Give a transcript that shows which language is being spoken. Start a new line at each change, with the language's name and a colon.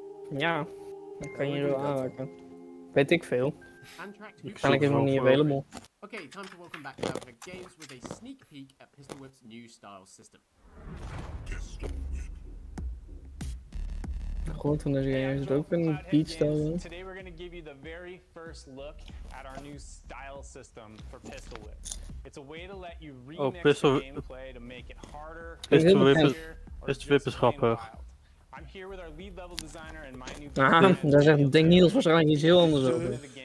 Dutch: Ja, dan kan je wel aanraken. Weet ik veel. Waarschijnlijk is het nog niet available.
English: Okay, time to welcome back to Alpha Games with a sneak peek at Pistol Whip's new style system.
Dutch: De grond van deze game is het ook een beat style.
English: Today we're going to give you the very first look at our new style system for Pistol Whip. It's a way to let you remix gameplay to make it harder.
Dutch: Pistol Whip is grappig.
English: I'm here with our lead level designer and my new...
Dutch: Ah, daar zegt Denk Niels waarschijnlijk iets heel anders over.